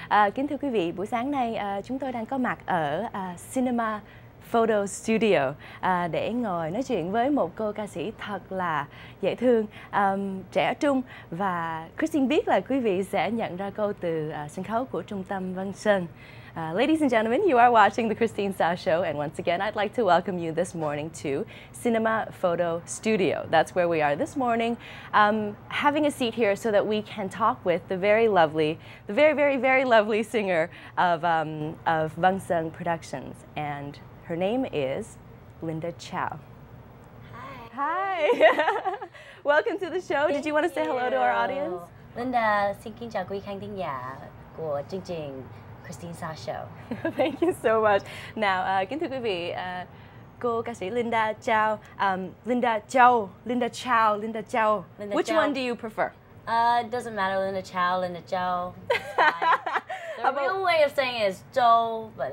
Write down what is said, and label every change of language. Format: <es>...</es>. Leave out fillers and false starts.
<vi>Kính thưa quý vị, buổi sáng nay chúng tôi đang có mặt ở Cinema Photo Studio để ngồi nói chuyện với một cô ca sĩ thật là dễ thương, trẻ trung. Và Kristine biết là quý vị sẽ nhận ra cô từ sân khấu của Trung tâm Văn Sơn.</vi> <en>Ladies and gentlemen, you are watching The Kristine Sa Show, and once again, I'd like to welcome you this morning to Cinema Photo Studio. That's where we are this morning, having a seat here so that we can talk with the very lovely, the very, very, very lovely singer of Văn Sơn Productions, and her name is Linda Chou. Hi. Hi. Welcome to the show. Thank Did you want to say hello to our audience?</en> <vi>Linda, xin kính chào quý khán thính giả của chương trình Kristine Sa Show.</vi> <en>Thank you so much.</en> <vi>Now, kính thưa quý vị, cô ca sĩ Linda Chou, Linda Chou, Linda Chou, Linda Chou.</vi> <en>Linda Which Chou. One do you prefer? It doesn't matter, Linda Chou, Linda Chou. The How real about, way of saying it is Zhou, but</en>